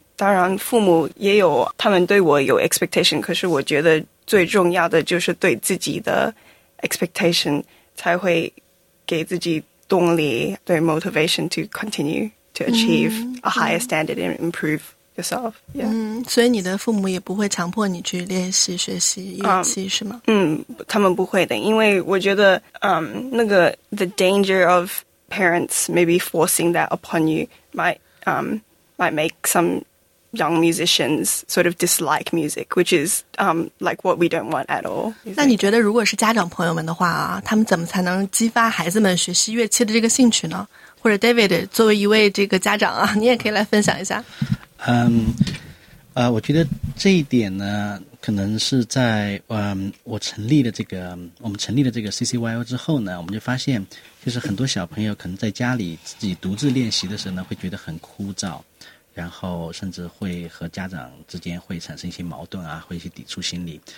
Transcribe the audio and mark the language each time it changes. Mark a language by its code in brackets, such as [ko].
[zh] 当然父母也有他们对我有 expectation， 可是我觉得最重要的就是对自己的 expectation， 才会给自己动力，对 [en] motivation to continue to achieve a higher standard and improve yourself。 [zh] 所以你的父母也不会强迫你去练习学习乐器是吗？他们不会的，因为我觉得那个 [en] the danger of parents maybe forcing that upon you might make someyoung musicians sort of dislike music, which is like what we don't want at all. [zh] 那你觉得如果是家长朋友们的话，他们怎么才能激发孩子们学习乐器的这个兴趣呢？或者 David 作为一位这个家长啊，你也可以来分享一下。我觉得这一点呢可能是在我们成立了这个 CCYO 之后呢，我们就发现就是很多小朋友可能在家里自己独自练习的时候呢会觉得很枯燥，然后甚至会和家长之间会产生一些矛盾啊，会一些抵触心理。